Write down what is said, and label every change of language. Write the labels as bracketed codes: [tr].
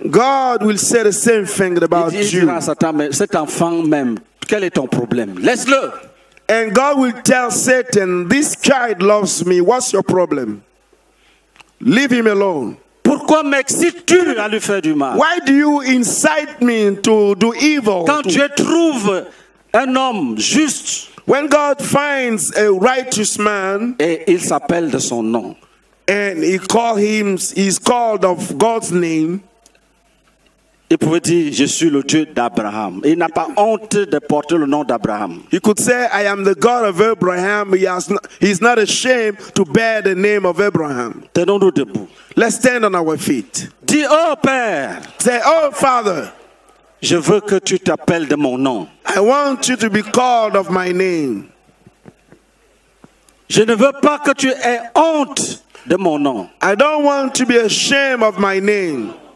[en] God will say the same thing about you. [fr] Il dira à Satan, mais cet enfant même, quel est ton problème? Laisse-le. [en] And God will tell Satan, this child loves me. What's your problem? Leave him alone. [fr] Pourquoi m'excites-tu à lui faire du mal? [en] Why do you incite me to do evil? [fr] Quand Dieu trouve un homme juste, [en] when God finds a righteous man, [fr] et il s'appelle de son nom, [en] and he's called of God's name. [fr] Il pouvait dire, je suis le Dieu d'Abraham. Il n'a pas honte de porter le nom d'Abraham. [en] He could say, I am the God of Abraham. He's not ashamed to bear the name of Abraham. [fr] Tenons-nous debout. [en] Let's stand on our feet. [fr] Dis, oh Père. [en] Say, oh Father. [fr] Je veux que tu t'appelles de mon nom. [en] I want you to be called of my name. [fr] Je ne veux pas que tu aies honte de mon nom. [en] I don't want to be ashamed of my name.